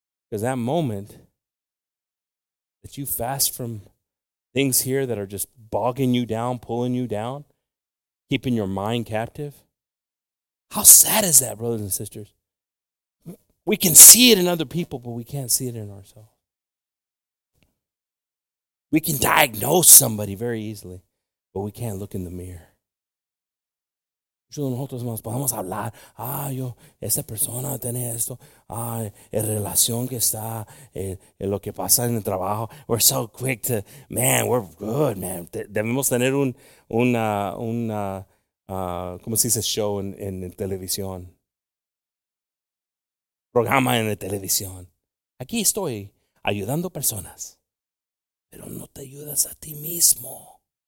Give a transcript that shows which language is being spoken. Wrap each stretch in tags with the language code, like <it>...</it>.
<en>Because that moment that you fast from things here that are just bogging you down, pulling you down, keeping your mind captive. How sad is that, brothers and sisters? We can see it in other people, but we can't see it in ourselves. We can diagnose somebody very easily, but we can't look in the mirror.</en> <es>Nosotros nos podemos hablar, ah, yo, esa persona tiene esto, ah, el relación que está, lo que pasa en el trabajo.</es> <en>We're so quick to, man, we're good, man.</en> <es>Debemos tener ¿cómo se dice show en televisión? Programa en la televisión. Aquí estoy ayudando personas, pero no te ayudas a ti mismo.</es>